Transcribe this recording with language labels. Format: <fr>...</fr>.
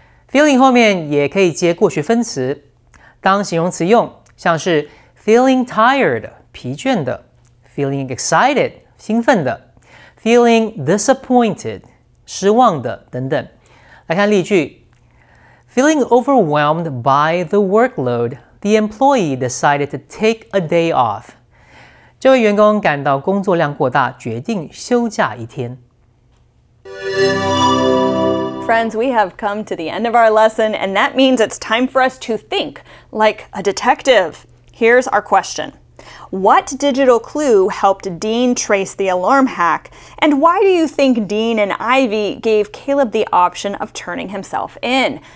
<zh>feeling 后面也可以接过去分词。当形容词用，像是</zh> <en>feeling tired</en> <zh>疲倦的 ，</zh> <en>feeling excited</en> <zh>兴奋的 ，</zh> <en>feeling disappointed</en> <zh>失望的等等。来看例句</zh> <en>：Feeling overwhelmed by the workload, the employee decided to take a day off.</en> <zh>这位员工感到工作量过大，决定休假一天。</zh> <en>Friends, we have come to the end of our lesson, and that means it's time for us to think like a detective. Here's our question. What digital clue helped Dean trace the alarm hack? And why do you think Dean and Ivy gave Caleb the option of turning himself in?</en>